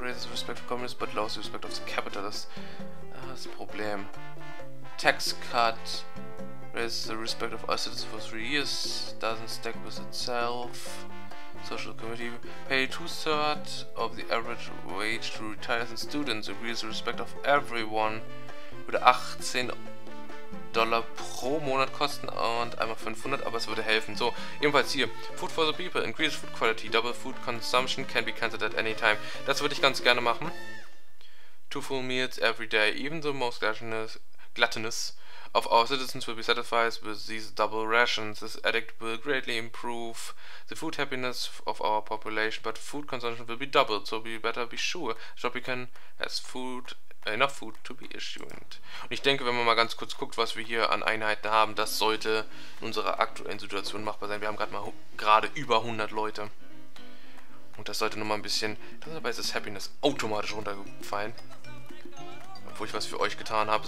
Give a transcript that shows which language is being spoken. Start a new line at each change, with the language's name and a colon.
English: Raises respect for communists, but lowers respect of the capitalists.
German: Das Problem.
English: Tax cut. Raises the respect of all citizens for 3 years. Doesn't stack with itself. Social committee. Pay 2/3 of the average wage to retirees and students. Agrees the respect of everyone.
German: Würde $18 pro Monat kosten und einmal 500, aber es würde helfen. So, ebenfalls hier.
English: Food for the people, increased food quality, double food consumption can be cancelled at any time.
German: Das würde ich ganz gerne machen.
English: 2 full meals every day, even the most gluttonous of our citizens will be satisfied with these double rations. This edict will greatly improve the food happiness of our population, but food consumption will be doubled, so we better be sure Shopican has food. Enough food to be issued.
German: Und ich denke, wenn man mal ganz kurz guckt, was wir hier an Einheiten haben, das sollte in unserer aktuellen Situation machbar sein. Wir haben gerade über 100 Leute. Und das sollte nochmal ein bisschen... Dabei ist das Happiness automatisch runtergefallen. Obwohl ich was für euch getan habe.